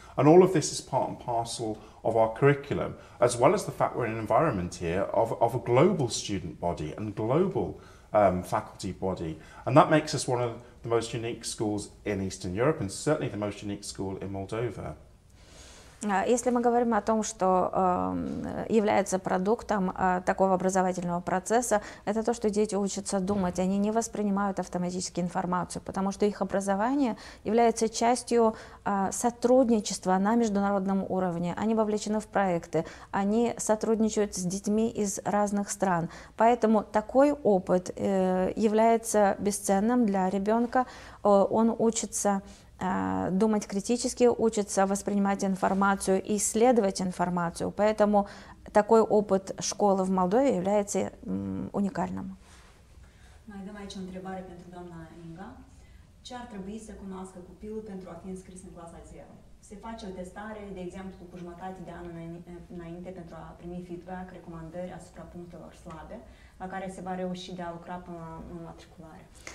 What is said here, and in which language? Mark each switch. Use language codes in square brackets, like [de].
[en] And all of this is part and parcel of our curriculum, as well as the fact we're in an environment here of a global student body and global faculty body. And that makes us one of the most unique schools in Eastern Europe and certainly the most unique school in Moldova. [ru] Если мы говорим о том, что является продуктом такого образовательного процесса, это то, что дети учатся думать, они не воспринимают автоматически информацию, потому что их образование является частью сотрудничества на международном уровне. Они вовлечены в проекты, они сотрудничают с детьми из разных стран. Поэтому такой опыт является бесценным для ребенка. Он учится думать критически, учиться воспринимать информацию и исследовать информацию. Поэтому такой опыт школы в Молдове является уникальным. [ro] Mai dăm aici o întrebare pentru doamna Inga. Ce ar trebui să cunoască copilul pentru a fi înscris în clasa 0? Se face o testare, de exemplu, cu jumătate de an înainte pentru a primi feedback, recomandări asupra punctelor slabe, la care se va reuși de a lucra până la matriculare.